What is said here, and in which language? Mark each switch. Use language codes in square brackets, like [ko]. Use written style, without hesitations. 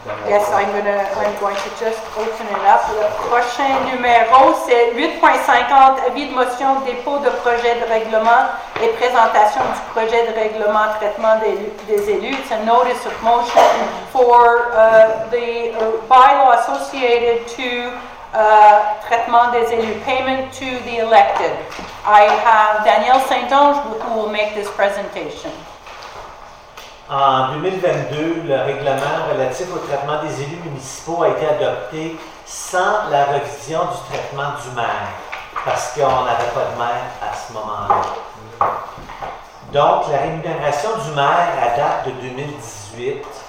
[en] Yes, I'm going to just open it up. [fr] Le prochain numéro, c'est 8.50, avis de motion, dépôt de projet de règlement et présentation du projet de règlement traitement des élus. [en] It's a notice of motion for the bylaw associated to traitement des élus, payment to the elected. I have Daniel Saint-Ange who will make this presentation. [fr] En 2022, le règlement relatif au traitement des élus municipaux a été adopté sans la révision du traitement du maire, parce qu'on n'avait pas de maire à ce moment-là. Donc, la rémunération du maire à date de 2018.